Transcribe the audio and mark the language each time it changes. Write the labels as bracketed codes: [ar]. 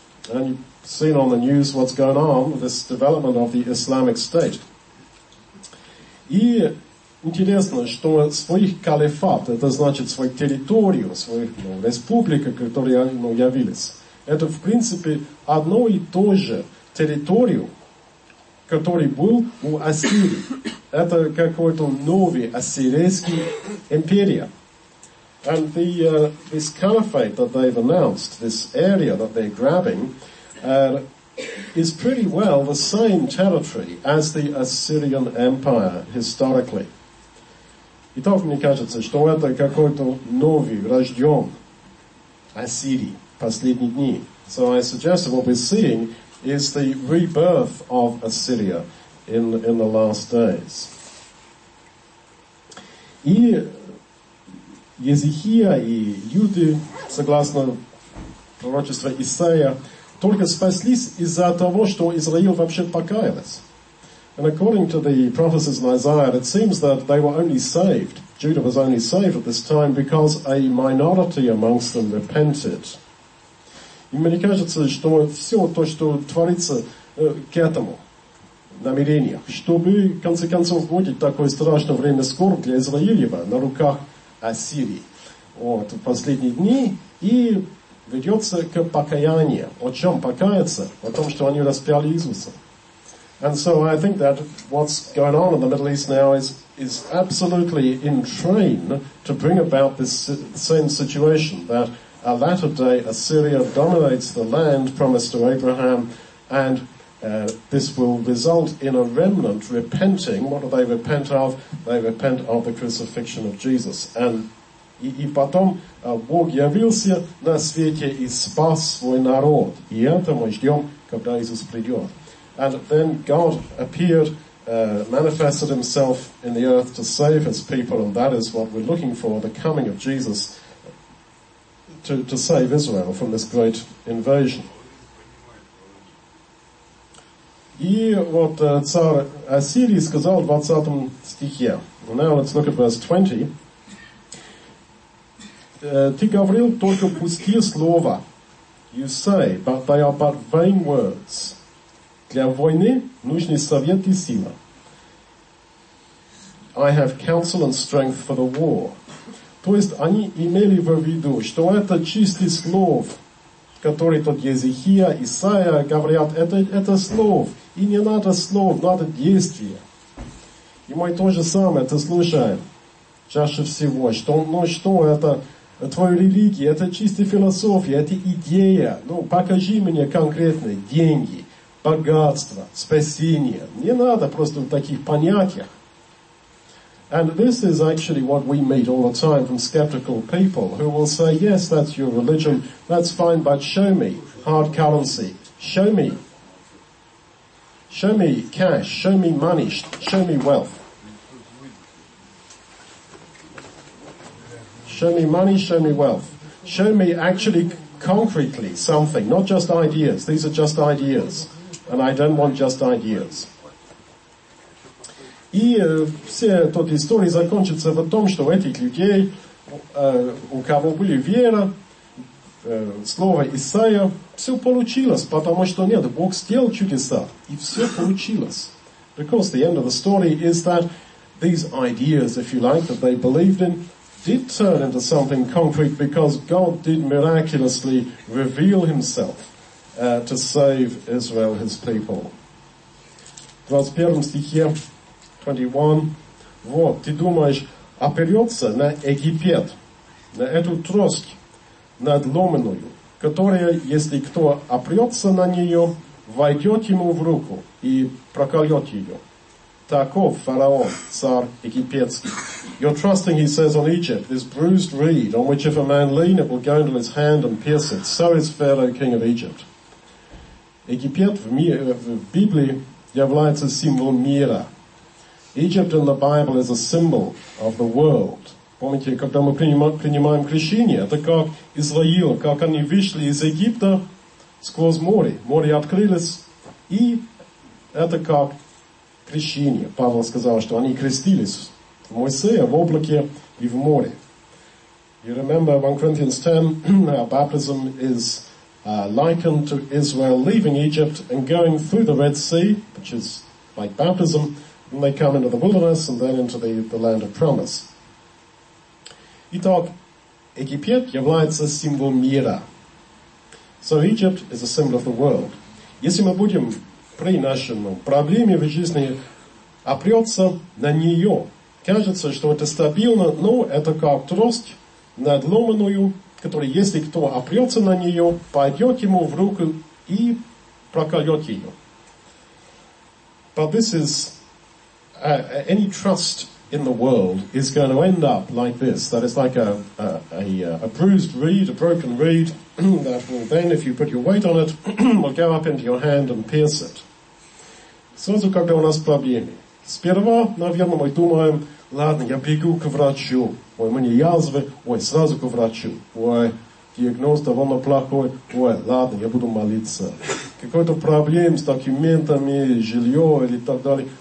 [en] And you've seen on the news what's going on with this development of the Islamic State. [ru] И интересно, что своих калифат, это значит свою территорию, свою республику, которые явились, это в принципе одно и то же территорию, который был у Ассирии. Это какой-то новый ассирийский империя. [en] And the this caliphate that they've announced, this area that they're grabbing, is pretty well the same territory as the Assyrian Empire historically. [ru] Итак, мне кажется, что это какой-то новый рожден Ассирии последние дни. [en] So I suggest what we're seeing is the rebirth of Assyria in the last days. [ru] И Езехия и Юды, согласно пророчеству Исаия, только спаслись из-за того, что Израиль вообще покаялась. [en] And according to the prophecies in Isaiah, it seems that they were only saved, Judah was only saved at this time, because a minority amongst them repented. [ru] И мне кажется, что все то, что творится к этому намерению, чтобы, в конце концов, будет такое страшное время скорбь для Израилева на руках Ассирии. Вот, в последние дни, и ведется к покаянию. О чем покаяться? О том, что они распяли Иисуса. [en] And so I think that what's going on in the Middle East now is absolutely in train to bring about this same situation, that a latter day Assyria dominates the land promised to Abraham, and this will result in a remnant repenting. What do they repent of? They repent of the crucifixion of Jesus. And [ru] и потом Бог явился на свете и спас свой народ. И это мы ждем, когда Иисус придет. [en] And then God appeared, manifested himself in the earth to save his people, and that is what we're looking for, the coming of Jesus to save Israel from this great invasion. [ru] И вот царь Ассирии сказал в 20 стихе. [en] Now let's look at verse 20. [ru] ты говорил только пустые слова. [en] You say, but they are but vain words. [ru] Для войны нужны совет и сила. [en] I have counsel and strength for the war. [ru] То есть они имели в виду, что это чистый слов, который тут Езехия, Исаия говорят, это слов, и не надо слов, надо действия. И мы то же самое это слушаем чаще всего, что, ну что, это твоя религия, это чистая философия, это идея. Ну, покажи мне конкретно деньги, богатство, спасение. Не надо просто в таких понятиях. [en] And this is actually what we meet all the time from skeptical people who will say, yes, that's your religion, that's fine, but show me hard currency. Show me cash, show me money, show me wealth. Show me money, show me wealth. Show me actually concretely something, not just ideas. These are just ideas, and I don't want just ideas. [ru] И все тут истории закончатся в том, что этих людей, у кого были вера, слово Исаия, все получилось, потому что нет, Бог сделал чудеса, и все получилось. [en] Because the end of the story is that these ideas, if you like, that they believed in, did turn into something concrete, because God did miraculously reveal himself to save Israel, his people. [ru] 21 стихе. 21. Вот, ты думаешь, оперется на Египет, на эту трость надломанную, которая, если кто оперется на нее, войдет ему в руку и прокольет ее. Таков фараон, царь египетский. [en] You're trusting, he says, on Egypt, this bruised reed, on which if a man lean, it will go into his hand and pierce it. So is Pharaoh, king of Egypt. [ru] Египет в Библии является символом мира. [en] Egypt in the Bible is a symbol of the world. [ru] Помните, когда мы принимаем крещение, это как Израил, как они вышли из Египта сквозь море. Море открылось, и это как крещение. Павел сказал, что они крестились в Моисея, в облаке и в море. [en] You remember 1 Corinthians 10, our baptism is likened to Israel leaving Egypt and going through the Red Sea, which is like baptism, and they come into the wilderness and then into the land of promise. [ru] Итак, Египет является символом мира. [en] So Egypt is a symbol of the world. [ru] Если мы будем при нашей проблеме в жизни опрется на нее, кажется, что это стабильно, но это как трость надломанную, которая, если кто опрется на нее, пойдет ему в руку и прокольет ее. [en] But this is any trust in the world is going to end up like this. That is like a bruised reed, a broken reed, that will then, if you put your weight on it, will go up into your hand and pierce it. [ru] Сразу, когда у нас проблемы. Сперва, наверное, мы думаем, ладно, я бегу к врачу. Ой, мне язвы. Ой, сразу к врачу. Ой, диагноз довольно плохой. Ой, ладно, я буду молиться. Какой-то проблем с документами, жилье или так далее.